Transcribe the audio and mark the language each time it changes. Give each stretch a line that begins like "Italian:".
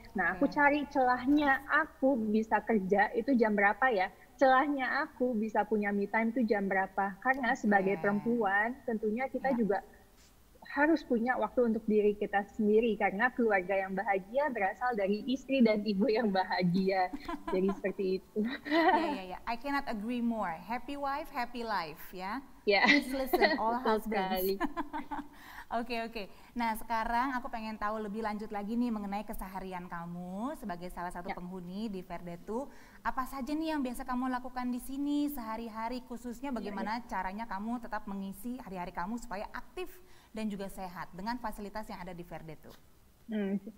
Indonesian: Nah aku cari celahnya aku bisa kerja itu jam berapa ya, celahnya aku bisa punya me time itu jam berapa. Karena sebagai perempuan tentunya kita juga harus punya waktu untuk diri kita sendiri, karena keluarga yang bahagia berasal dari istri dan ibu yang bahagia. Jadi seperti itu.
English: I cannot agree more. Happy wife, happy life, ya. Yeah. Please listen all husbands.
Indonesian: Oke, oke. Nah, sekarang aku pengen tahu lebih lanjut lagi nih mengenai keseharian kamu sebagai salah satu penghuni di Verde 2. Apa saja nih yang biasa kamu lakukan di sini sehari-hari, khususnya bagaimana caranya kamu tetap mengisi hari-hari kamu supaya aktif dan juga sehat dengan fasilitas yang ada di Verde 2?